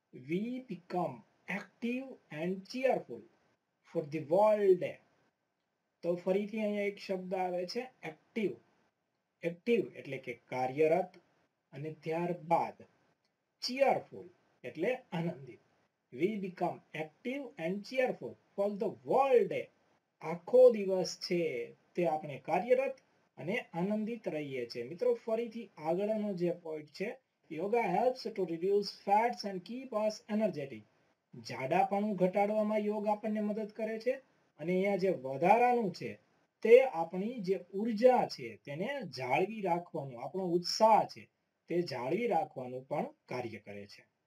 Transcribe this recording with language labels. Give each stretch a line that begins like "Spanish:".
English: We become active and cheerful for the world.
Gujarati: તો ફરીથી અહીંયા એક શબ્દ આવે છે એક્ટિવ, એક્ટિવ એટલે કે કાર્યરત, અને ત્યારબાદ cheerful એટલે આનંદિત.
English: We become active and cheerful for the whole day.
Gujarati: આખો દિવસ છે તે આપણે કાર્યરત અને આનંદિત રહીએ છે. મિત્રો ફરીથી આગળનો જે પોઈન્ટ છે,
English: Yoga helps to reduce fats and keep us energetic.
Gujarati: જાડાપણું ઘટાડવામાં યોગ આપણને મદદ કરે છે અને અહીંયા જે વધારાનું છે તે આપણી જે ઉર્જા છે તેને જાળવી રાખવાનું, આપણો ઉત્સાહ છે તે જાળવી રાખવાનું પણ કાર્ય કરે છે.